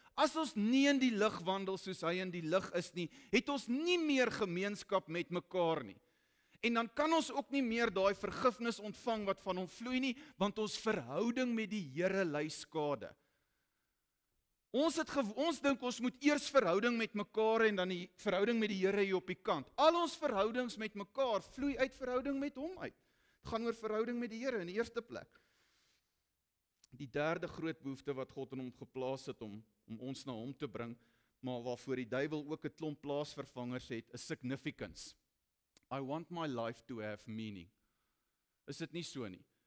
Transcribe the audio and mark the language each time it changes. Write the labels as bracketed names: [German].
[Afrikaans] As ons nie in die lig wandel soos hy in die lig is nie, het ons nie meer gemeenskap met mekaar nie. En dan kan ons ook nie meer daai vergifnis ontvang wat van hom vloei nie, want ons verhouding met die Here ly skade. Ons dink ons moet eers verhouding met mekaar en dan die verhouding met die Here hier op die kant. Al ons verhoudings met mekaar vloei uit verhouding met hom uit. Dit gaan oor verhouding met die Here in die eerste plek. Die derde groot behoefte wat God in hom geplaas het om ons na hom te bring, maar waarvoor die duiwel ook 'n klomp plaasvervangers het, is significance. [English] I want my life to have meaning. [Afrikaans] Is dit nie so nie?